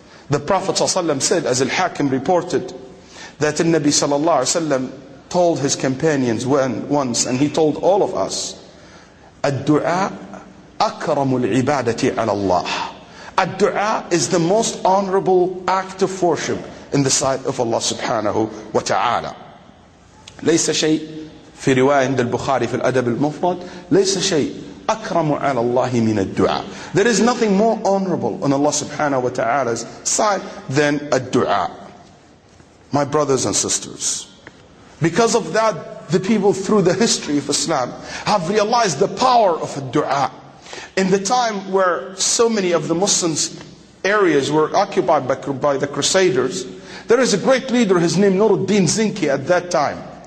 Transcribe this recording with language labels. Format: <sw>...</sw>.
<en>The Prophet ﷺ said, as Al-Hakim reported, that the Nabi ﷺ told his companions once, and he told all of us, a dua</en> <ar>أكرم العبادة على الله.</ar> <en>الدُعَاء is the most honorable act of worship in the sight of Allah سبحانه وتعالى.</en> <ar>ليس شيء في رواية عند البخاري في الأدب المفرد ليس شيء أكرم على الله من الدعاء.</ar> <en>There is nothing more honorable on Allah سبحانه وتعالى's side than a dua. My brothers and sisters, because of that, the people through the history of Islam have realized the power of a dua. In the time where so many of the Muslims' areas were occupied by the Crusaders, there is a great leader, his name Nur al-Din Zinki at that time.</en>